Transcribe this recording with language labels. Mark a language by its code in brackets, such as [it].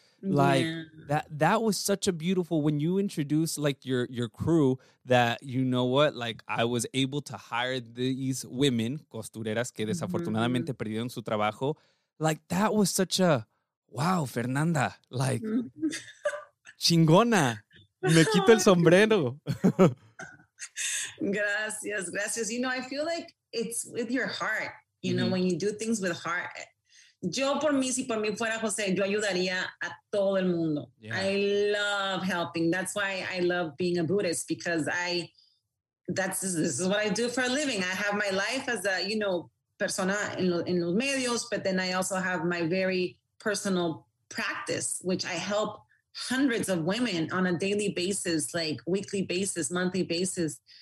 [en] Like, that was such a beautiful, when you introduced, like, your crew, that, you know what, like, I was able to hire these women, [es] costureras que desafortunadamente perdieron su trabajo. [en] Like, that was such a, wow, Fernanda, like, chingona, [es] me quito el sombrero. Gracias, gracias. [en] You know, I feel like it's with your heart, you know, when you do things with heart. [es] Yo por mí, si por mí fuera José, yo ayudaría a todo el mundo. [en] Yeah. I love helping. That's why I love being a Buddhist, because this is what I do for a living. I have my life as a, you know, [es] persona en los medios, [en] but then I also have my very personal practice, which I help hundreds of women on a daily basis, like weekly basis, monthly basis,